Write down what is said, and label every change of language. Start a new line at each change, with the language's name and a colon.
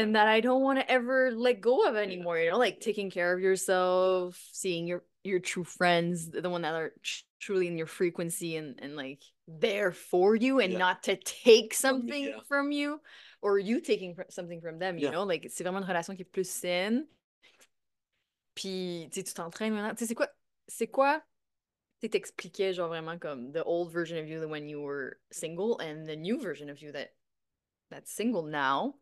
English: and that I don't want to ever let go of Yeah. anymore. You know, like taking care of yourself, seeing your true friends, the one that are truly in your frequency and like there for you and Yeah. not to take something Yeah. from you or you taking something from them, you Yeah.
French: know, like c'est vraiment une relation qui est plus saine. Puis tu sais, tu t'entraînes maintenant, tu sais, c'est quoi?
English: Tu t'expliquais genre vraiment comme the old version of you the when you were single and the new version of you that's single now.